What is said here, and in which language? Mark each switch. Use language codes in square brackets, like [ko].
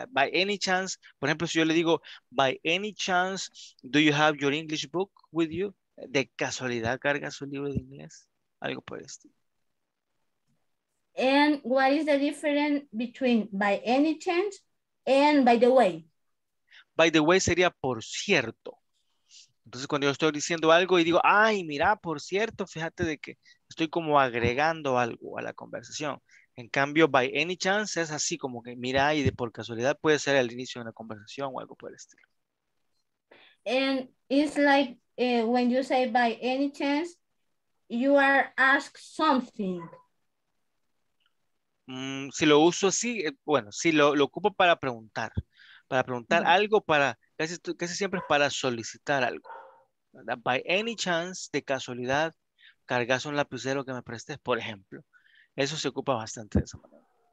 [en] By any chance, [es] por ejemplo, si yo le digo, [en] by any chance, do you have your English book with you? [es] ¿De casualidad carga su libro de inglés? Algo por este. [en] And what is the difference between by any chance and by the way? By the way [es] sería por cierto. Entonces, cuando yo estoy diciendo algo y digo, ay, mira, por cierto, fíjate de que estoy como agregando algo a la conversación. En cambio, by any chance, es así como que mira y de por casualidad puede ser el inicio de una conversación o algo por el estilo. [en] And it's like when you say by any chance, you are asked something. [es] Si lo uso así, bueno, si lo ocupo para preguntar algo, para casi siempre es para solicitar algo. [en] By any chance, [es] de casualidad, cargas un lapicero que me prestes, por ejemplo. Eso se ocupa bastante de esa manera.